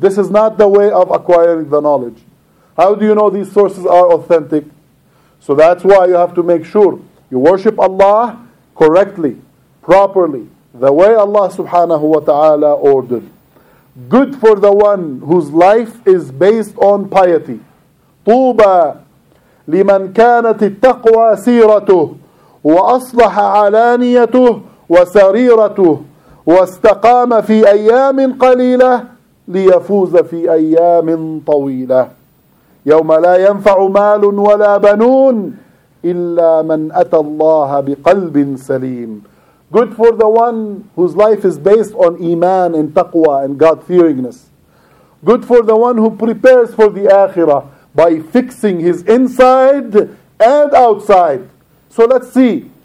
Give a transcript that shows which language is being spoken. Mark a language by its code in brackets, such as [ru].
[en] This is not the way of acquiring the knowledge. How do you know these sources are authentic? So that's why you have to make sure you worship Allah correctly, properly, the way Allah subhanahu wa ta'ala ordered. Good for the one whose life is based on piety. [ar] طوبى لمن كانت التقوى سيرته وأصلح علانيته وسريرته واستقام في أيام قليلة ليفوز في أيام طويلة يوم لا ينفع مال ولا بنون إِلَّا مَنْ أَتَى اللَّهَ بِقَلْبٍ سَلِيمٍ. [en] Good for the one whose life is based on iman and taqwa and God-fearingness. Good for the one who prepares for the akhirah by fixing his inside and outside. So let's see.